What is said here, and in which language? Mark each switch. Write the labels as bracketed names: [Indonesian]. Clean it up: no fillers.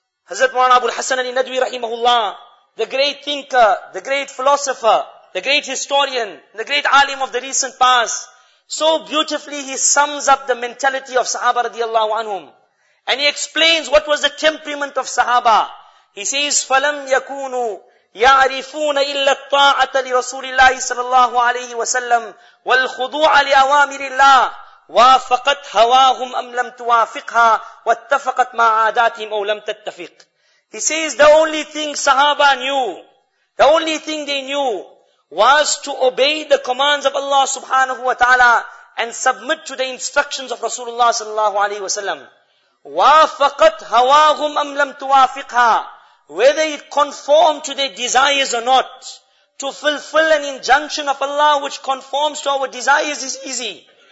[English] Hazrat Mawlana Abu al-Hasan al-Nadwi rahimahullah, the great thinker, the great philosopher, the great historian, the great alim of the recent past, so beautifully he sums up the mentality of Sahaba radiallahu anhum. And he explains what was the temperament of Sahaba. He says, فَلَمْ يَكُونُوا يَعْرِفُونَ إِلَّا الطَّاعَةَ لِرَسُولِ اللَّهِ صَلَى اللَّهُ عَلَيْهِ وَسَلَّمْ وَالْخُضُوعَ لِأَوَامِرِ اللَّهِ وَافَقَتْ هَوَاهُمْ أَمْ لَمْ تُوَافِقْهَا وَاتَّفَقَتْ مَا عَادَاتِهِمْ أَوْ لَمْ تَتَّفِقْ. He says the only thing Sahaba knew The only thing they knew was to obey the commands of Allah subhanahu wa ta'ala and submit to the instructions of Rasulullah sallallahu alayhi wa sallam. [Arabic] وَافَقَتْ هَوَاهُمْ أَمْ لَمْ تُوَافِقْهَا. [English] Whether it conformed to their desires or not, to fulfill an injunction of Allah which conforms to our desires is easy.